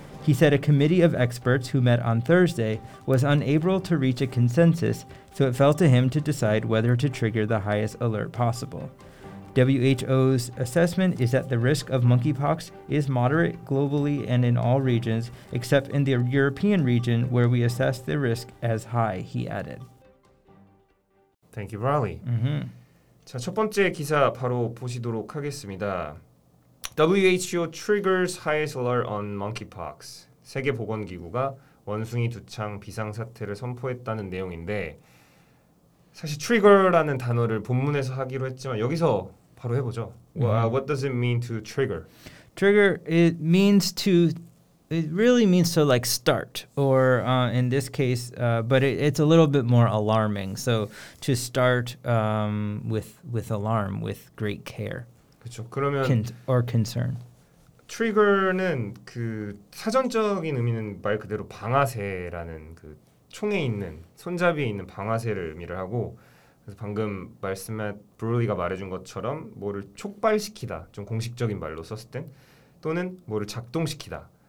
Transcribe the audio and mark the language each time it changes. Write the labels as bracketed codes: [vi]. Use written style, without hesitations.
[en] He said a committee of experts who met on Thursday was unable to reach a consensus, so it fell to him to decide whether to trigger the highest alert possible. WHO's assessment is that the risk of monkeypox is moderate globally and in all regions, except in the European region where we assess the risk as high, he added. Thank you, Brawley. Mm-hmm. [ko] 자, 첫 번째 기사 바로 보시도록 하겠습니다. [en] WHO triggers highest alert on monkeypox. [ko] 세계보건기구가 원숭이두창 비상사태를 선포했다는 내용인데 사실 trigger라는 단어를 본문에서 하기로 했지만 여기서 바로 해보죠. [en] What does it mean to trigger? Trigger, it really means to like start, or in this case, but it's a little bit more alarming. So to start with alarm, with great care. [ko] 그렇죠. 그러면 [en] or concern. [ko] Trigger는 그 사전적인 의미는 말 그대로 방아쇠라는 그 총에 있는 손잡이에 있는 방아쇠를 의미를 하고. 그래서 방금 말씀한 브루리가 말해준 것처럼 뭐를 촉발시키다, 좀 공식적인 말로 썼을 땐 또는 뭐를 작동시키다.